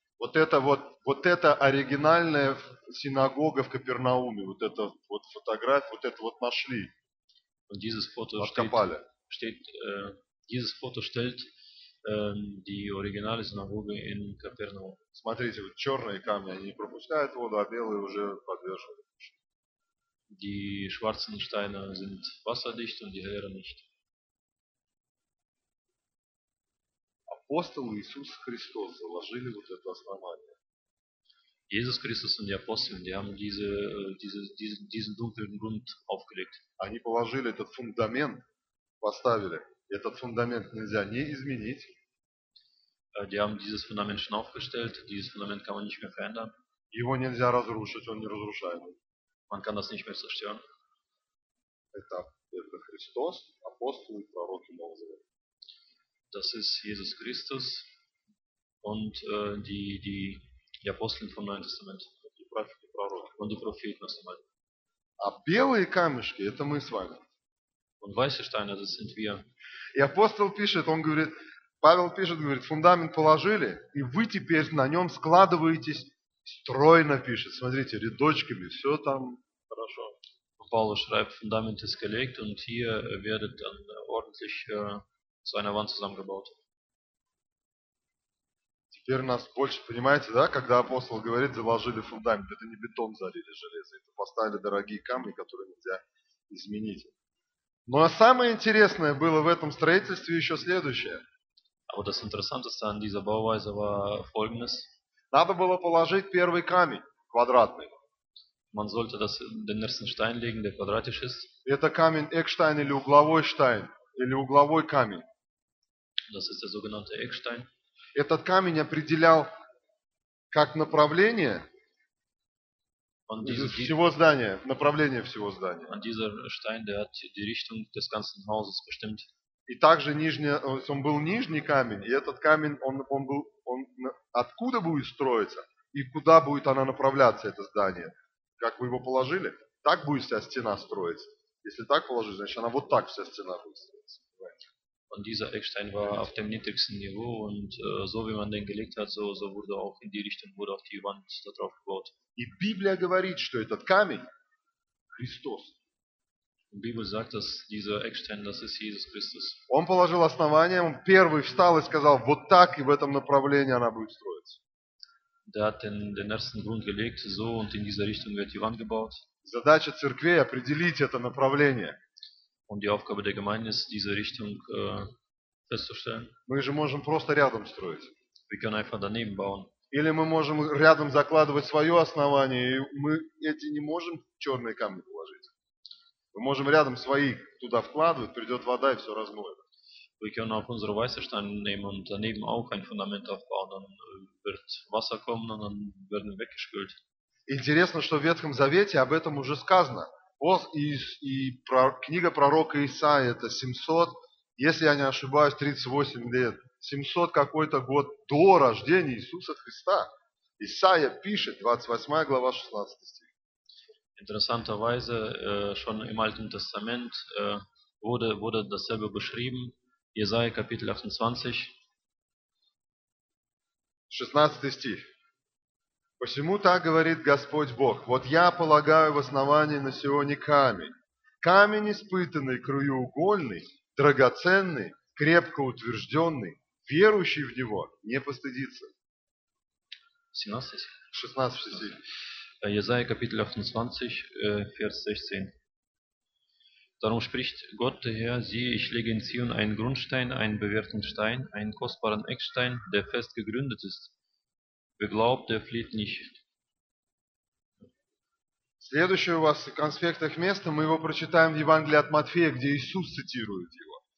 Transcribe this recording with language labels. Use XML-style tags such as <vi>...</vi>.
<ru>Вот это оригинальная синагога в Капернауме, вот это вот фотография, вот это вот нашли.</ru> <de>Und dieses Foto</de> <ru>откопали.</ru> <de>Dieses Foto stellt die originale Synagoge in Kapernaum.</de> <ru>Смотрите, вот черные камни, они не пропускают воду, а белые уже подвержены.</ru> <de>Die schwarzen Steine sind wasserdicht und die helleren nicht.</de> <ru>Апостол Иисус Христос заложили вот это основание.</ru> <de>Jesus Christus und die Apostel, die haben diesen dunklen Grund aufgelegt.</de> <ru>Они положили этот фундамент, поставили. Этот фундамент нельзя не изменить.</ru> <de>Die haben dieses Fundament schon aufgestellt. Dieses Fundament kann man nicht mehr verändern.</de> <ru>Его нельзя разрушить, он не разрушаемый.</ru> <de>Man kann das nicht mehr zerstören.</de> <ru>Это Христос, апостолы и пророки Нового Завета.</ru> <de>Das ist Jesus Christus und die Apostel vom Neuen Testament. Und die Propheten aus dem Alten.</de> <ru>А белые камешки, это мы с вами.</ru> <de>Und weiße Steine, das sind wir.</de> <ru>И апостол пишет, он говорит, Павел пишет, говорит, фундамент положили, и вы теперь на нем складываетесь, стройно пишет, смотрите, рядочками, все там хорошо.</ru> <de>Павел schreibt, фундамент ist gelegt und hier werdet dann ordentlich zu einer Wand zusammengebaut.</de> <ru>Теперь нас больше, понимаете, да, когда апостол говорит, заложили фундамент, это не бетон залили железо, это поставили дорогие камни, которые нельзя изменить. Но самое интересное было в этом строительстве еще следующее.</ru> <de>Aber das Interessanteste an dieser Bauweise war folgendes.</de> <ru>Надо было положить первый камень, квадратный.</ru> <de>Man sollte den ersten Stein legen, der quadratisch ist.</de> <ru>Это камень Eckstein или угловой Stein. Или угловой камень.</ru> <de>Das ist der sogenannte Eckstein.</de> <ru>Этот камень определял как направление всего здания. Направление всего здания.</ru> <de>Und dieser Stein, der hat die Richtung des ganzen Hauses bestimmt.</de> <ru>И также нижний, он был нижний камень, и этот камень, он был, он откуда будет строиться, и куда будет она направляться, это здание. Как вы его положили, так будет вся стена строиться. Если так положить, значит она вот так вся стена будет строиться.</ru> <de>Und dieser Eckstein war auf dem niedrigsten Niveau und so wie man den gelegt hat, so, so wurde auch in die Richtung wurde auch die Wand darauf gebaut.</de> <ru>И Библия говорит, что этот камень Христос.</ru> <de>Библия sagt, dass dieser Eckstein, das ist Jesus Christus.</de> <ru>Он положил основание, он первый встал и сказал, вот так и в этом направлении она будет строиться.</ru> <de>Der hat den ersten Grund gelegt, so und in dieser Richtung wird die Wand gebaut.</de> <ru>Задача церкви определить это направление.</ru> <de>Und die Aufgabe der Gemeinde ist, diese Richtung festzustellen.</de> <ru>Мы же можем просто рядом строить.</ru> <de>Wir können einfach daneben bauen.</de> <ru>Или мы можем рядом закладывать свое основание, и мы эти не можем черные камни положить. Мы можем рядом свои туда вкладывать, придет вода и все размоет.</ru> <de>Wir können auf unsere Weißsteine nehmen und daneben auch ein Fundament aufbauen, dann wird Wasser kommen und dann werden wir weggespült.</de> <ru>Интересно, что в Ветхом Завете об этом уже сказано. Вот и книга пророка Исаии, это 700, если я не ошибаюсь, 38 лет, 700 какой-то год до рождения Иисуса Христа. Исаия пишет, 28 глава, 16 стих.</ru> <de>Interessanterweise, schon im Alten Testament wurde dasselbe beschrieben, Jesaja Kapitel 28,</de> <ru>16 стих. Посему так говорит Господь Бог, вот я полагаю в основании на сегодня камень. Камень испытанный, краеугольный, драгоценный, крепко утвержденный, верующий в него, не постыдится.</ru> <de>16. Jesaja Kapitel 28, Vers 16. Darum spricht Gott der Herr, siehe, ich lege in Zion einen Grundstein, einen bewährten Stein, einen kostbaren Eckstein, der fest gegründet ist. Wer glaubt, der flieht nicht.</de> <ru>Следующее у вас в конспектах место, мы его прочитаем в Евангелии от Матфея, где Иисус цитирует его.</ru>